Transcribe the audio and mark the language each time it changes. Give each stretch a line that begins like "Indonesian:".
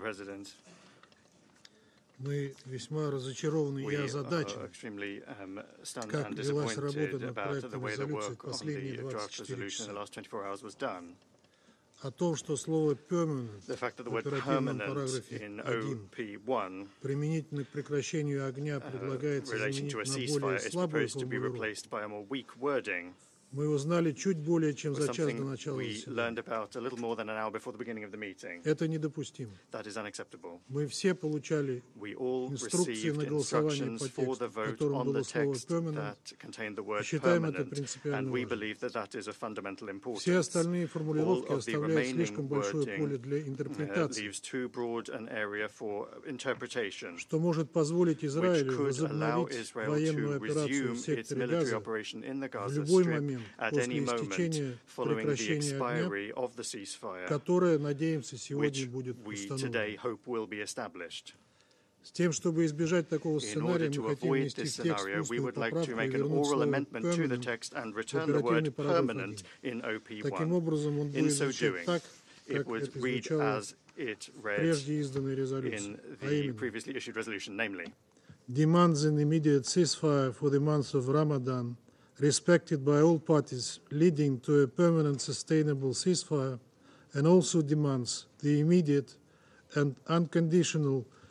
English: President, we are extremely stunned and disappointed about the way the work on the draft resolution in the last 24 hours was done. The fact that the word permanent in OP1 relates to a ceasefire is proposed to be replaced by a more weak wording.
Russian: Мы узнали чуть более чем за час до начала заседания. Это недопустимо. Мы все получали инструкции на голосование по тексту, в котором было слово «permanent», и считаем это принципиально важным. Все остальные формулировки оставляют слишком большое поле для интерпретации, что может позволить Израилю возобновить военную операцию в секторе Газа в любой момент.
English: At any moment following the expiry of the ceasefire,
Russian: которое, надеемся, сегодня будет установлено.
English: Which we today hope will be established.
Russian: С тем, чтобы избежать такого сценария, мы хотим внести в текст устную поправку и вернуть слово «permanent» в оперативный параграф 1. Таким образом, он будет звучать так, как это звучало прежде изданной резолюции, а именно
English: «demands an immediate ceasefire for the month of Ramadan, respected by all parties, leading to a permanent sustainable ceasefire, and also demands the immediate and unconditional